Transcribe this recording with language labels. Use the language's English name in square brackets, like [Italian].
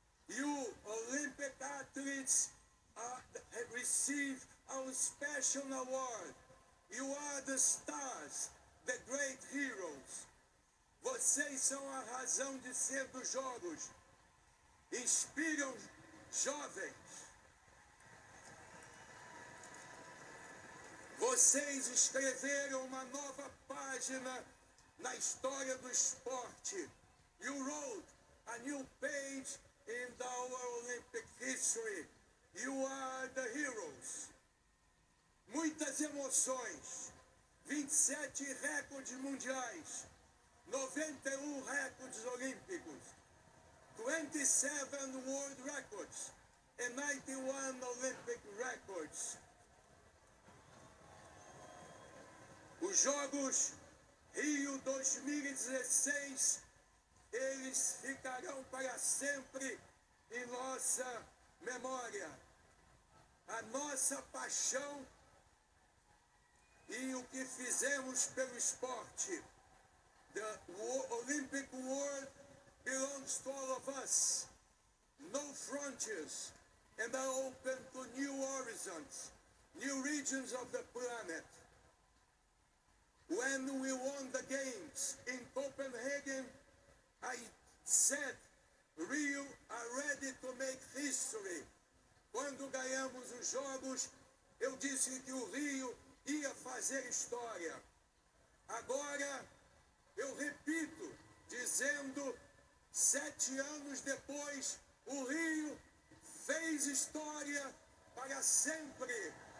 [English] E o Olympic Athletes receive our special award. You are the stars, the great heroes. [Portuguese] Vocês são a razão de ser dos jogos. Inspiram jovens. Vocês escreveram uma nova página na história do esporte. [English] You wrote a new page in our Olympic history. You are the heroes. [Portuguese] Muitas emoções. 27 recordes mundiais. 91 recordes olímpicos. [English] 27 world records. And 91 Olympic records. [Portuguese] Os Jogos Rio 2016, eles ficarão para sempre em nossa memória. A nossa paixão e o que fizemos pelo esporte. [English] The Olympic World belongs to all of us. No frontiers and are open to new horizons, new regions of the planet. When we won the games in Copenhagen, I said, Rio are ready to make history. [Portuguese] Quando ganhamos os jogos, eu disse que o Rio ia fazer história. Agora, eu repito, dizendo, 7 anos depois, o Rio fez história para sempre.